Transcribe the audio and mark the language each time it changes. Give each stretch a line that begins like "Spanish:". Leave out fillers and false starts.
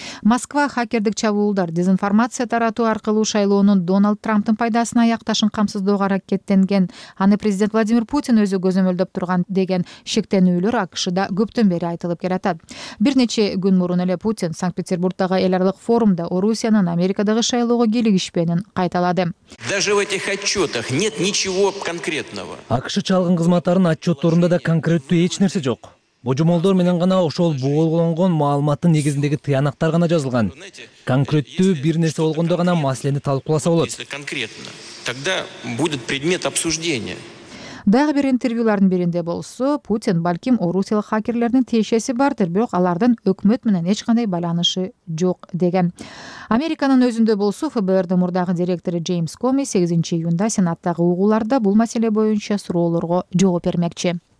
Kyrgyz: Москва хакердик чабуулдар, дезинформация таратуу аркылуу шайлоонун Дональд Трамптын пайдасына аякташын камсыздоого аракеттенген, аны президент Владимир Путин өзү көзөмөлдөп турган деген шектенүүлөр АКШда көптөн бери айтылып келатат. Бир нече күн мурун эле Путин Санкт-Петербургдагы эл аралык форумда Орусиянын Америкадагы шайлоого келигишпенин кайталады.
Russian: Даже в этих отчетах нет ничего конкретного.
Kyrgyz: АКШ чалгын кызматтарынын отчетторунда да конкреттүү эч нерсе жок. Божомолдор менен гана ошол болгонгон маалыматтын негизиндеги тыянактар гана жазылган. Конкреттүү бир нерсе болгондо гана маселени талкууласа болот.
Russian: Конкретно. Тогда будет предмет обсуждения.
Kyrgyz: Дагы бир интервьюлардын биринде болсо, Путин балким орусиялык хакерлердин тиешеси бардыр, бирок алардын өкмөт менен эч кандай байланышы жок деген. Американын өзүндө болсо, ФБРдин мурдагы директору Джеймс Коми 8 июнда Сенаттагы угууларда бул маселе боюнча суроолорго жооп бермекчи.